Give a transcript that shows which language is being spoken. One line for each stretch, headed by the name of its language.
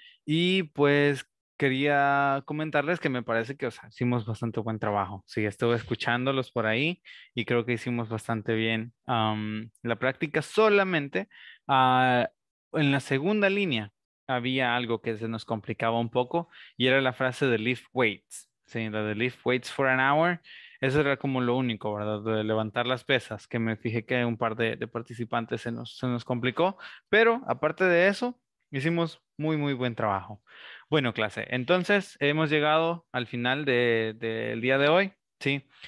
Spanish: Y pues quería comentarles que me parece que, o sea, hicimos bastante buen trabajo. Sí, estuve escuchándolos por ahí y creo que hicimos bastante bien la práctica. Solamente en la segunda línea había algo que se nos complicaba un poco y era la frase de lift weights.
English: saying that the lift weights for an hour.
Spanish: Eso era como lo único, ¿verdad? De levantar las pesas, que me fijé que un par de participantes se nos complicó. Pero aparte de eso, hicimos muy, muy buen trabajo. Bueno, clase, entonces hemos llegado al final del día de hoy, ¿sí?